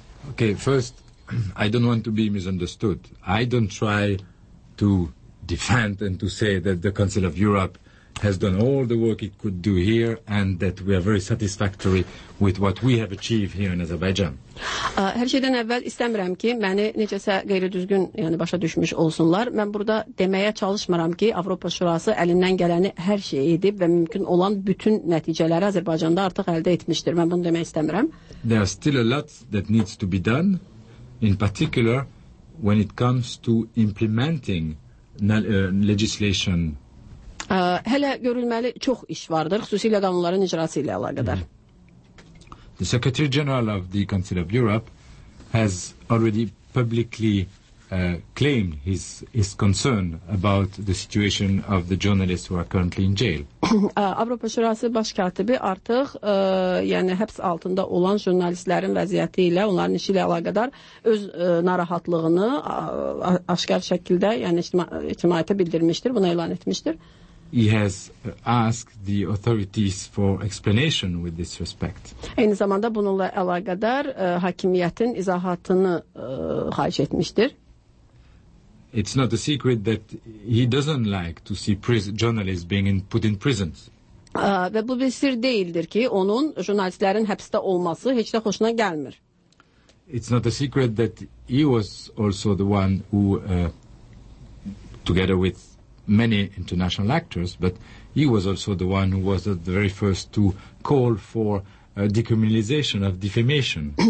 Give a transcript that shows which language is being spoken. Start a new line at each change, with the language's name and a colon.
English: Okay, first, I don't want to be misunderstood. I don't try to defend and to say that the Council of Europe has done all the work it could do here and that we are very satisfactory with what we have achieved here in Azerbaijan.
Azerbaijani: Hər şeydən əvvəl istəmirəm ki, məni necəsə qeyri-düzgün yəni başa düşmüş olsunlar. Mən burada deməyə çalışmıram ki, Avropa Şurası əlindən gələni hər şey edib və mümkün olan bütün nəticələri Azərbaycanda artıq əldə etmişdir. Mən bunu demək istəmirəm.
English: There are still a lot that needs to be done, in particular when it comes to implementing legislation.
Azerbaijani: Hələ görülməli çox iş vardır, xüsusilə qanunların icrası ilə əlaqədar.
English: The Secretary General of the Council of Europe has already publicly claimed his concern about the situation of the journalists who are currently in jail.
Azerbaijani: Avropa Şurası baş katibi artıq yəni həbs altında olan jurnalistlərin vəziyyəti ilə, onların işi ilə əlaqədar öz narahatlığını aşkar şəkildə, yəni ictimaiyyətə bildirmişdir, bunu elan etmişdir.
English: He has asked the authorities for explanation with this respect.
Azerbaijani: Eyni zamanda bununla əlaqədar hakimiyyətin izahatını xahiş etmişdir.
English: It's not a secret that he doesn't like to see journalists being put in prisons.
Azerbaijani: Və bu bir sir deyildir ki, onun jurnalistlərin həbsdə olması heç də xoşuna gəlmir.
English: It's not a secret that he was also the one who together with many international actors, but he was also the one who was the very first to call for decriminalization of defamation.